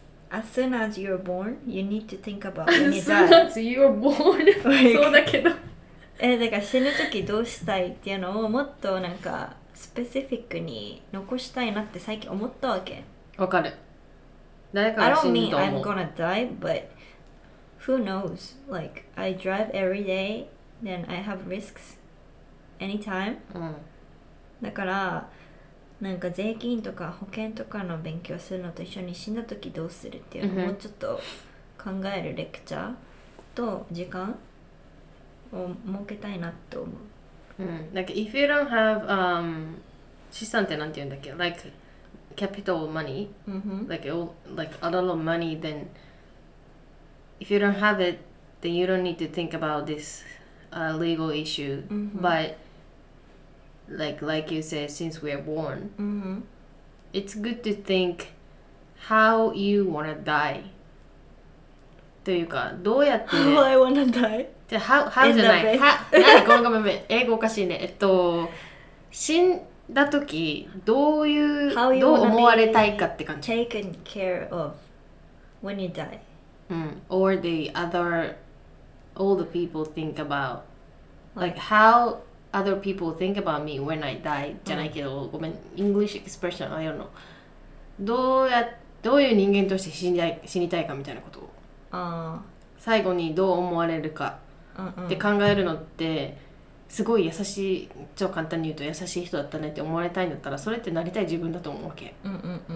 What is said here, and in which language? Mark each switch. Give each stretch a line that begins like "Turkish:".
English: as soon as you're born you need to think about when you die as soon as you're born like,
Japanese: そうだけどえ、だから死ぬ時どうしたいっていうのをもっとなんかスペシフィックに残したいなって最近思ったわけ。わかる、誰かが死ぬと思う。
English: I don't mean I'm gonna die but who knows like I drive every day then I have risks anytime、うん、
Japanese: だからなんか税金とか保険とかの勉強するのと一緒に死んだ時どうするっていうのをもうちょっと考えるレクチャーと時間を設けたいなと思う。
English: なんか if you don't have、
Japanese: 資産ってなんて言うんだっけ、
English: like capital money、like a lot of money then if you don't have it then you don't need to think about this、legal issue、 mm-hmm. butLike you said, since we are born,、 mm-hmm. it's good to think how you wanna die.
Japanese: というか、どうやって、
English: ね、How I wanna die?
Japanese: じゃ、how じゃない。なに、ごめんごめんごめん。英語おかしいね。死んだ時、どういう、どう思われたいかって感じ。
English: Taken care of when you die.、うん、or the other, all the people think about. Like how... Other people think about me when I die
Japanese: じゃないけど、うん、ごめん、
English: English expression, I don't know.
Japanese: どういう人間として死にたいかみたいなことを。あ、最後にどう思われるかって考えるのって、うんうん、すごい優しい、超簡単に言うと優しい人だったねって思われたいんだったら、それってなりたい自分だと思うわけ。うんうんうん、